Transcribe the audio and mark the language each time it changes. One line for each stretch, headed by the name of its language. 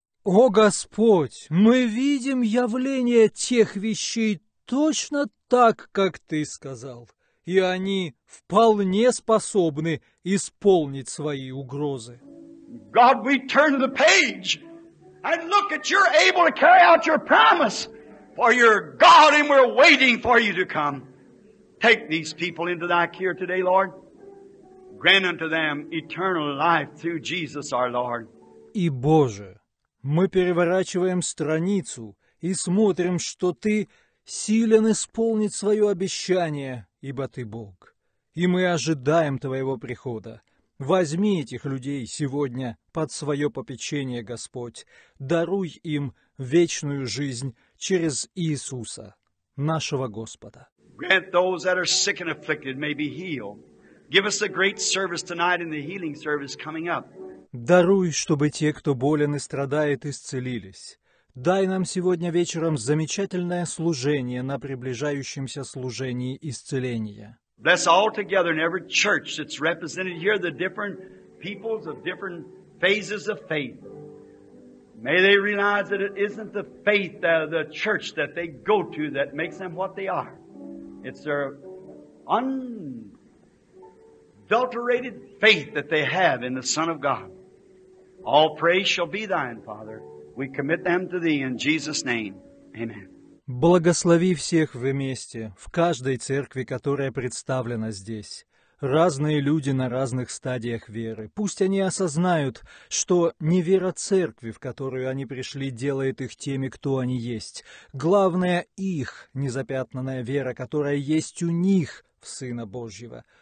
Russian: О Господь, мы видим явление тех вещей точно так, как Ты сказал, и они вполне способны исполнить свои угрозы.
English: God, we turn the page and look at You're able to carry out Your promise, for You're God, and we're waiting for You to come. Take these people into Thy care today, Lord. Grant unto them eternal life through Jesus our Lord.
Russian: И Боже, мы переворачиваем страницу и смотрим, что Ты силен исполнить свое обещание, ибо Ты Бог. И мы ожидаем Твоего прихода. Возьми этих людей сегодня под свое попечение, Господь. Даруй им вечную жизнь через Иисуса, нашего Господа.
English: Grant those that are sick and afflicted may be healed. Give us a great service tonight in the healing service coming up.
Russian: Даруй, чтобы те, кто болен и страдает, исцелились. Дай нам сегодня вечером замечательное служение на приближающемся служении исцеления.
English: Bless all together in every church that's represented here, the different peoples of different phases of faith. May they realize that it isn't the faith, the church that they go to that makes them what they are. It's their unadulterated faith that they have in the Son of God. All praise shall be thine, Father. We commit them to thee in Jesus' name. Amen.
Russian: Благослови всех вместе, в каждой церкви, которая представлена здесь. Разные люди на разных стадиях веры. Пусть они осознают, что не вера церкви, в которую они пришли, делает их теми, кто они есть. Главное, их незапятнанная вера, которая есть у них в Сына Божьего.